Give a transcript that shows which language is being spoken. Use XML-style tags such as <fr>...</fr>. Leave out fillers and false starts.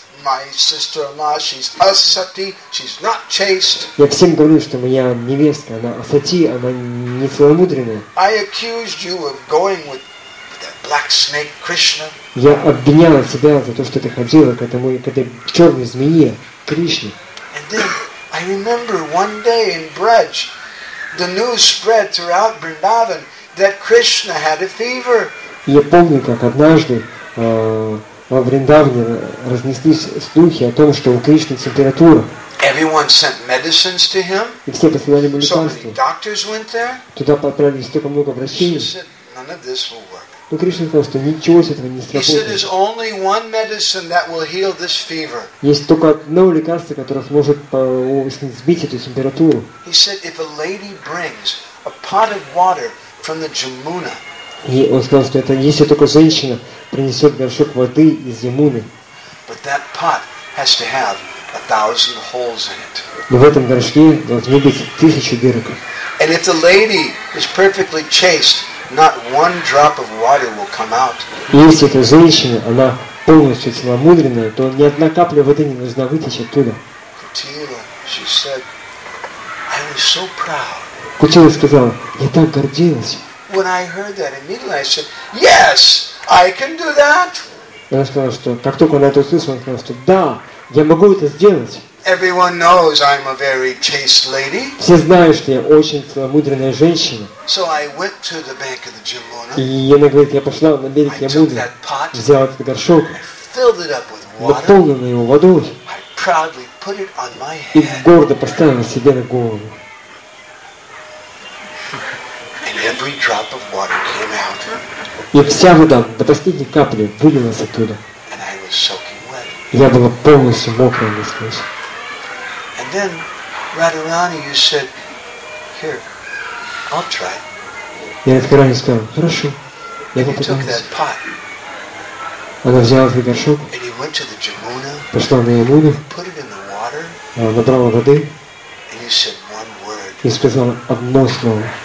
<en>my sister-in-law, she's asati, she's not chaste.</en> <ru>Я всем говорю, что моя невестка, она асати, она не целомудренная.</ru> <en>I accused you of going with that black snake Krishna.</en> <ru>Я обвиняла тебя за то, что ты ходила к этому, к этой черной змее Кришне.</ru> <en>And then I remember one day in Braj, the news spread throughout Vrindavan that Krishna had a fever.</en> <ru>Я помню, как однажды во Вриндавне разнеслись слухи о том, что у Кришны температура.</ru> <en>Everyone sent medicines to him.</en> <ru>И все посылали ему лекарства.</ru> <en>So doctors went there.</en> <ru>Туда отправились столько много врачей.</ru> <en>She said, none of this will work.</en> <ru>Но Кришна сказал, что ничего с этого не сработает.</ru> <en>He said, there's only one medicine that will heal this fever.</en> <ru>Есть только одно лекарство, которое сможет сбить эту температуру.</ru> <en>He said, if a lady brings a pot of water from the Jamuna.</en> <ru>И он сказал, что это если только женщина принесет горшок воды из Ямуны.</ru> <en>But that pot has to have 1,000 holes in it.</en> <ru>Но в этом горшке должны быть 1,000 дырок.</ru> <en>And if the lady is perfectly chaste, not one drop of water will come out.</en> <ru>И если эта женщина, она полностью целомудренная, то ни одна капля воды не должна вытечь оттуда.</ru> <en>Kutila, she said, I was so proud.</en> <ru>Кутила сказала, я так гордилась.</ru> <en>When I heard that immediately, I said, "Yes, I can do that."</en> <ru>Я сказал, что как только она это услышала, сказал, что да, я могу это сделать.</ru> <en>Everyone knows I'm a very chaste lady.</en> <ru>Все знают, что я очень целомудренная женщина.</ru> <en>So I went to the bank of the Jamuna.</en> <ru>И она говорит, я пошла на берег Ямуны, взяла этот горшок,</ru> <en>filled it up with water,</en> <ru>наполнила его водой,</ru> <en>I proudly put it on my head.</en> <ru>И гордо поставила себе на голову.</ru> <en>Every drop of water came out.</en> <ru>И вся вода до последней капли вылилась оттуда.</ru> <en>And I was soaking wet.</en> <ru>Я была полностью мокрая насквозь.</ru> <en>And then Radharani, you said, "Here, I'll try."</en> <ru>Я Радхарани сказал, "Хорошо, я попробую."</ru> <en>You took that pot.</en> <ru>Она взяла этот горшок.</ru> <en>And you went to the Jamuna.</en> <ru>Пошла на Ямуну.</ru> <en>Put it in the water.</en> <ru>Набрала воды.</ru> <en>And you said one word.</en> <ru>И сказала одно слово.</ru>